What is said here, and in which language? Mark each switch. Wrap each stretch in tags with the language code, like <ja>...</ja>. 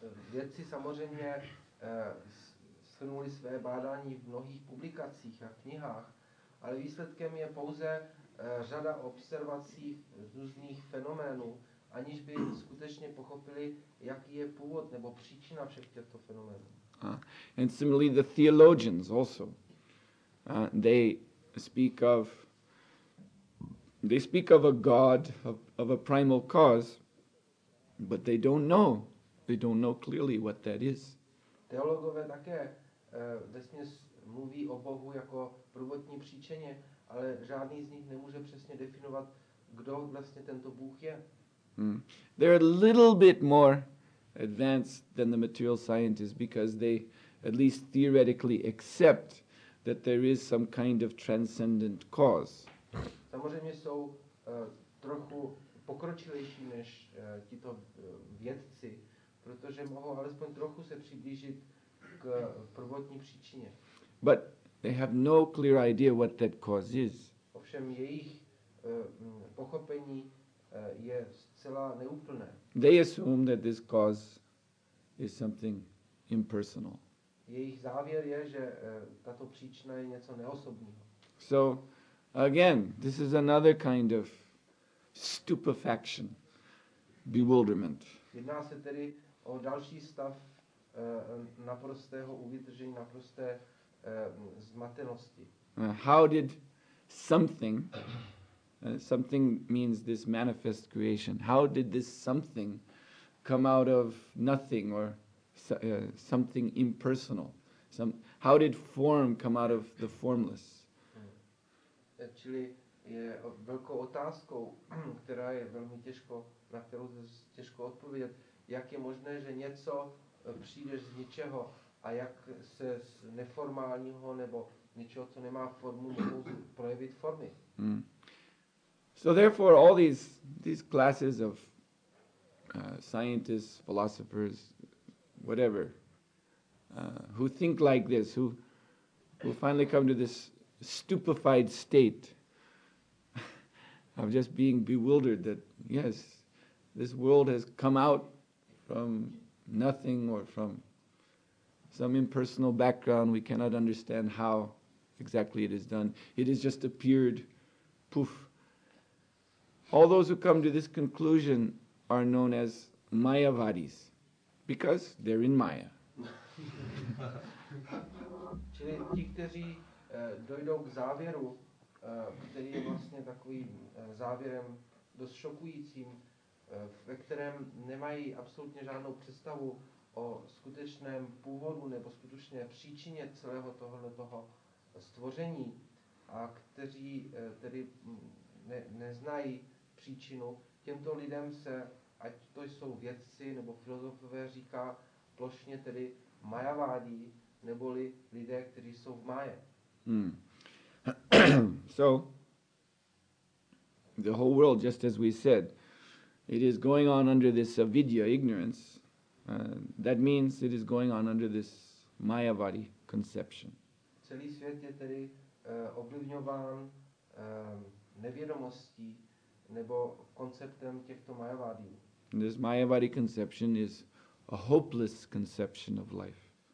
<cs>Vědci samozřejmě shrnuli své bádání v mnohých publikacích a knihách, ale výsledkem je pouze řada observací různých fenoménů, aniž by skutečně pochopili, jaký je původ nebo příčina všech těchto fenoménů.</cs> <en>And similarly, the theologians also, they speak of a God, of a primal cause, but they don't know clearly what that is.</en> <cs>Teologové také vesměs mluví o Bohu jako prvotní příčině, ale žádný z nich nemůže přesně definovat, kdo vlastně tento Bůh je.</cs> <en>They're a little bit more advanced than the material scientists because they at least theoretically accept that there is some kind of transcendent cause.</en> <cs>Samozřejmě jsou trochu pokročilejší než tito vědci, protože mohou alespoň trochu se přiblížit k prvotní příčině.</cs> <en>But they have no clear idea what that cause is.</en> <cs>Ovšem jejich pochopení je zcela neúplné.</cs> <en>They assume that this cause is something impersonal.</en> <cs>Jejich závěr je, že tato příčina je něco neosobního.</cs> <en>So again, this is another kind of stupefaction, bewilderment.</en> <cs>Jedná se tedy o další stav naprostého uvětržení, naprosté zmatenosti.</cs> <en>How did something, something means this manifest creation, how did this something come out of nothing or something impersonal? How did form come out of the formless?</en> <cs>Čili je velkou otázkou, která je velmi těžko, na kterou je těžko odpovědět, jak je možné, že něco přijde z ničeho a jak se z neformálního nebo něčeho, co nemá formu, mohou projevit formy.</cs> <en>So therefore all these classes of scientists, philosophers, whatever, who think like this, who finally come to this stupefied state of just being bewildered that yes, this world has come out from nothing or from some impersonal background, we cannot understand how exactly it is done, it has just appeared, poof. All those who come to this conclusion are known as Mayavadis, because they're in Maya.</en> <cs>Čili ti, kteří dojdou k závěru, který je vlastně takovým závěrem dost šokujícím, ve kterém nemají absolutně žádnou představu o skutečném původu nebo skutečné příčině celého tohoto stvoření a kteří tedy neznají příčinu, těmto lidem se, ať to jsou vědci nebo filozofové, říká plošně tedy Mayavadi, neboli lidé, kteří jsou v Maje.</cs> <en>So, the whole world, just as we said, it is going on under this avidya, ignorance. That means it is going on under this Mayavadi conception.</en> <cs>Celý svět je tedy ovlivňován nevědomostí nebo konceptem těchto Mayavadi.</cs> <en>This Mayavadi conception is a hopeless conception of life.</en>